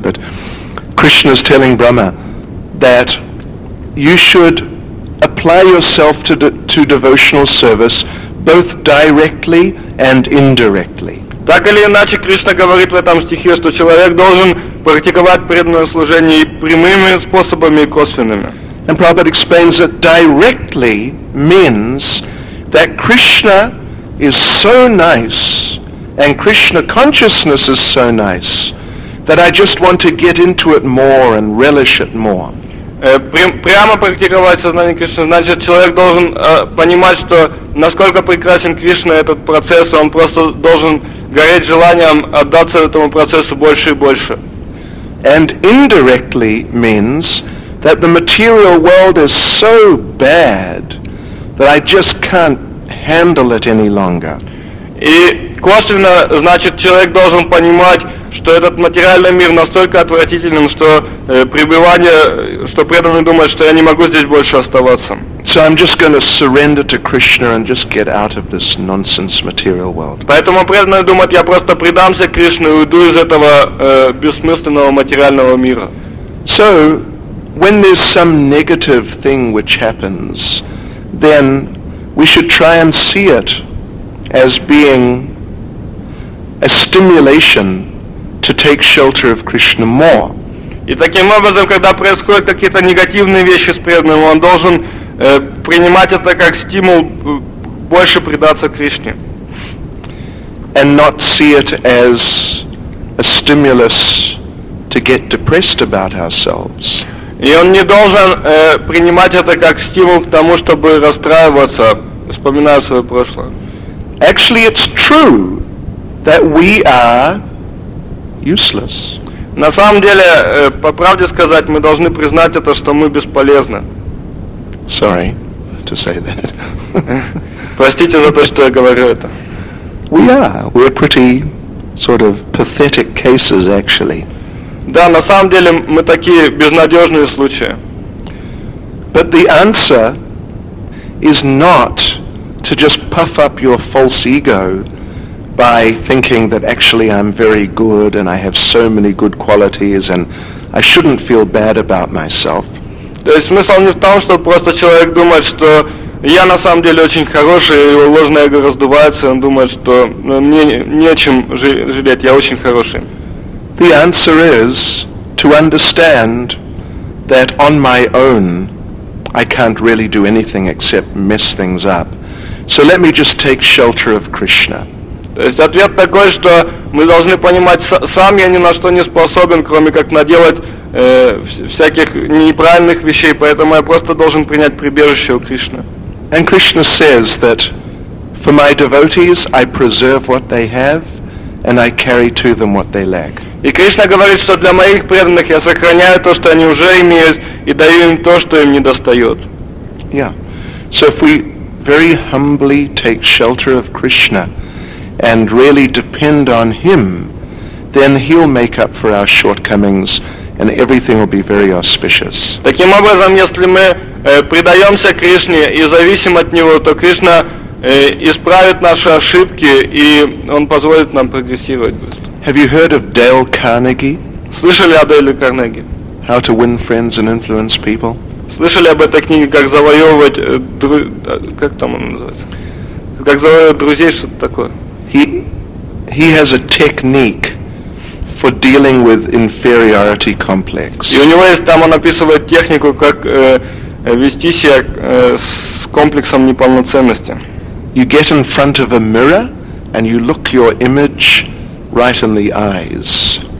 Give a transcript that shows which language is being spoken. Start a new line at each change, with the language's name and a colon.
English: But Krishna is telling Brahma that you should apply yourself to devotional service both directly and indirectly.
Russian: Так или иначе, Кришна говорит в этом стихе, что человек должен практиковать преданное служение и прямыми способами, и косвенными.
English: And Prabhupada explains that directly means that Krishna is so nice and Krishna consciousness is so nice that I just want to get into it more and relish it more.
Russian: Прямо практиковать сознание Кришны, значит, человек должен понимать, что насколько прекрасен Кришна этот процесс, он просто должен гореть желанием отдаться этому процессу больше и больше.
English: And indirectly means that the material world is so bad that I just can't handle it any longer.
Russian: И косвенно, значит, человек должен понимать, что этот материальный мир настолько отвратительным, что пребывание, что преданный думает, что я не могу здесь больше оставаться.
English: So I'm just going to surrender to Krishna and just get out of this nonsense material world.
Russian: Поэтому преданный думает, я просто предамся Кришне и уйду из этого бессмысленного материального мира.
English: So, when there's some negative thing which happens, then we should try and see it as being a stimulation to take shelter of Krishna more.
Russian: И таким образом, когда происходят какие-то негативные вещи с преданным, он должен принимать это как стимул больше предаться Кришне.
English: And not see it as a stimulus to get depressed about ourselves.
Russian: И он не должен принимать это как стимул к тому, чтобы расстраиваться, вспоминая свое прошлое.
English: Actually, it's true that we are useless.
Russian: На самом деле, по правде сказать, мы должны признать это, что мы бесполезны.
English: Sorry to say that.
Russian: Простите за то, что я говорю это.
English: We are. We're pretty sort of pathetic cases, actually.
Russian: Да, на самом деле мы такие безнадежные случаи.
English: But the answer is not to just puff up your false ego by thinking that actually I'm very good and I have so many good qualities and I shouldn't feel bad about myself.
Russian: То есть смысл не в том, что просто человек думает, что я на самом деле очень хороший, его ложное эго раздувается, он думает, что мне не о чем жалеть, я очень хороший.
English: The answer is to understand that on my own I can't really do anything except mess things up. So let me just take shelter of Krishna.
Russian: То есть ответ такой, что мы должны понимать, сам я ни на что не способен, кроме как наделать всяких неправильных вещей, поэтому я просто должен принять прибежище у Кришны.
English: And Krishna says that for my devotees I preserve what they have and I carry to them what they lack.
Russian: И Кришна говорит, что для моих преданных я сохраняю то, что они уже имеют, и даю им то, что им недостает.
English: Yeah. So if we very humbly take shelter of Krishna and really depend on him, then he'll make up for our shortcomings and everything will be very auspicious.
Russian: Таким образом, если мы предаемся Кришне и зависим от него, то Кришна исправит наши ошибки и он позволит нам прогрессировать быстро.
English: Have you heard of Dale Carnegie?
Russian: Слышали о Дейле Карнеги?
English: How to win friends and influence people?
Russian: Слышали об этой книге, как завоевывать, как там она называется? Как завоевывать друзей, что-то такое.
English: He has a technique for dealing with inferiority complex.
Russian: И у него есть, там он описывает технику, как вести себя с комплексом неполноценности.
English: You get in front of a mirror and you look your image right in the eyes.